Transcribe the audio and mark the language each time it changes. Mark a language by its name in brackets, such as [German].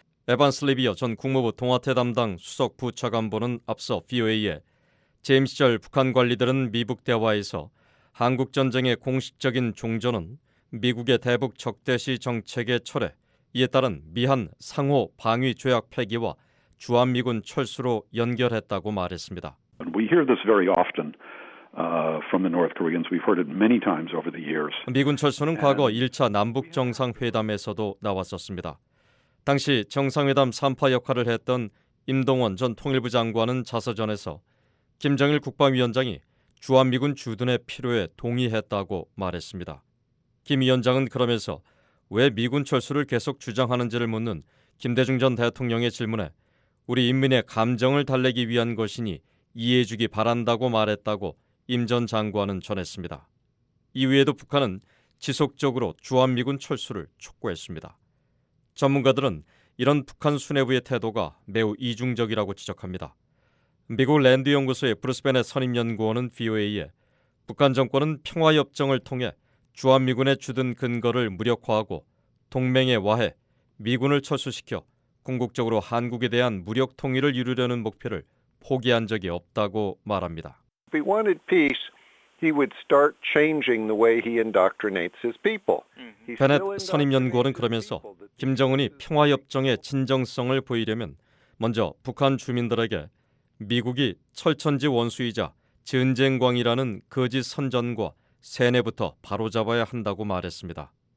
[Korean] 에반스 리비어 전 국무부 동아태 담당 수석 부차관보는 앞서 VOA에 제임 시절 북한 관리들은 미북 대화에서 한국전쟁의 공식적인 종전은 미국의 대북 적대시 정책의 철회, 이에 따른 미한 상호 방위 조약 폐기와 주한미군 철수로 연결했다고 말했습니다. [English] We hear this very often from the North Koreans. We've heard it many times over the years. [Korean] 미군 철수는 과거 1차 남북정상회담에서도 나왔었습니다. 당시 정상회담 3파 역할을 했던 임동원 전 통일부 장관은 자서전에서 김정일 국방위원장이 주한미군 주둔의 필요에 동의했다고 말했습니다. 김 위원장은 그러면서 왜 미군 철수를 계속 주장하는지를 묻는 김대중 전 대통령의 질문에 우리 인민의 감정을 달래기 위한 것이니 이해해 주기 바란다고 말했다고 임 전 장관은 전했습니다. 이후에도 북한은 지속적으로 주한미군 철수를 촉구했습니다. 전문가들은 이런 북한 수뇌부의 태도가 매우 이중적이라고 지적합니다. 미국 랜드 연구소의 브루스 벤의 선임 연구원은 VOA에 북한 정권은 평화협정을 통해 주한미군의 주둔 근거를 무력화하고 동맹의 와해, 미군을 철수시켜 궁극적으로 한국에 대한 무력 통일을 이루려는 목표를 포기한 적이 없다고 말합니다. [English] If he wanted peace, he would start changing the way he indoctrinates his people. [Korean] 베넷 선임 연구원은 그러면서 김정은이 평화협정의 진정성을 보이려면 먼저 북한 주민들에게 미국이 철천지 원수이자 전쟁광이라는 거짓 선전과 세뇌부터 바로잡아야 한다고 말했습니다.